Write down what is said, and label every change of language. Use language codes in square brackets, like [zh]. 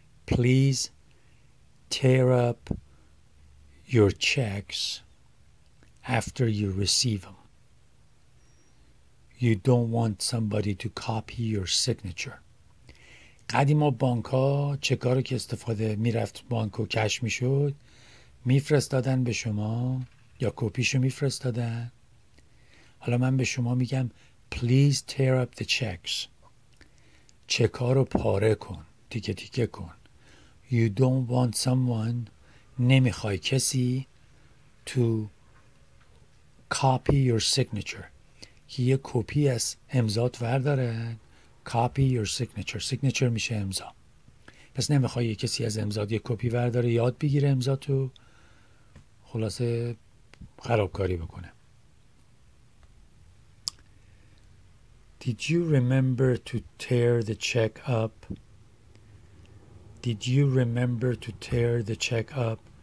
[en] Please tear up your checks after you receive them. You don't want somebody to copy your signature. [fa] قدیما بانک ها چک ها رو که استفاده می رفت بانک و کش می شد می فرستادن به شما یا کپیشو می فرستادن. حالا من به شما میگم [en] Please tear up the checks. [fa] چک ها رو پاره کن، تیکه تیکه کن. [en] You don't want someone، [fa] نمیخوای کسی، [en] to copy your signature، [fa] که یه کپی از امضات وردارن. [en] Copy your signature، signature [fa] میشه امضا. پس نمیخوای یه کسی از امضات یه کپی ورداره، یاد بگیره امضاتو، خلاصه خرابکاری بکنه. [en] Did you remember to tear the check up? Did you remember to tear the check up?